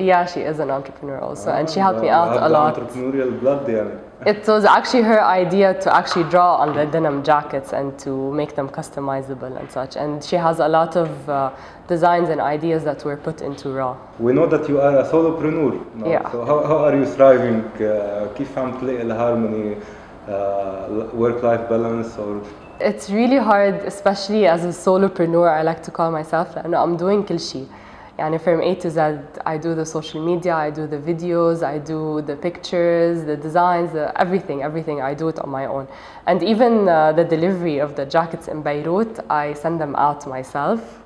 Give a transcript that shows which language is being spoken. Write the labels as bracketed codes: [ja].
[en] Yeah, she is an entrepreneur also, and she helped me out a lot. Entrepreneurial blood, Diane. It was actually her idea to actually draw on the denim jackets and to make them customizable and such. And she has a lot of designs and ideas that were put into Raw. We know that you are a solopreneur now. Yeah. So how are you thriving? [ar] كيف عم تلاقي الهارموني, [en] work-life balance, or? It's really hard, especially as a solopreneur, I like to call myself. No, I'm doing [ar] كل شيء. [en] And from A to Z, I do the social media, I do the videos, I do the pictures, the designs, everything, I do it on my own. And even the delivery of the jackets in Beirut, I send them out myself.